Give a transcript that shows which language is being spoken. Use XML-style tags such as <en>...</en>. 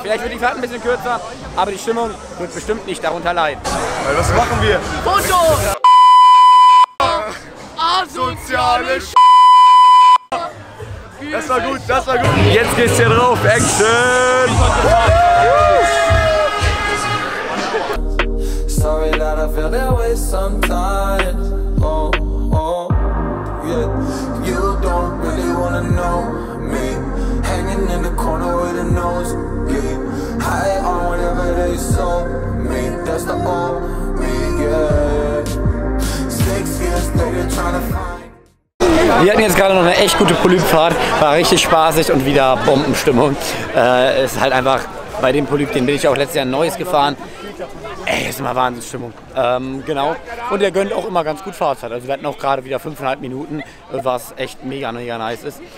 <de>Vielleicht wird die Fahrt ein bisschen kürzer, aber die Stimmung wird bestimmt nicht darunter leiden. Weil was machen wir? Foto! Asoziale Sch. Das war gut, das war gut. Jetzt geht's hier drauf, Action!</de> <en>Sorry that I feel that way sometimes. Oh, oh, yeah. You don't really wanna know me. Hanging in the corner with a nosebleed. High on whatever they sold me. That's the old me, yeah. 6 years later trying to find.</en> <de>Wir hatten jetzt gerade noch eine echt gute Polypfahrt, war richtig spaßig und wieder Bombenstimmung. Ist halt einfach bei dem Polyp, den bin ich auch letztes Jahr ein neues gefahren. Ey, ist immer Wahnsinnsstimmung. Genau. Und der gönnt auch immer ganz gut Fahrzeit. Also wir hatten auch gerade wieder 5,5 Minuten, was echt mega, mega nice ist.</de>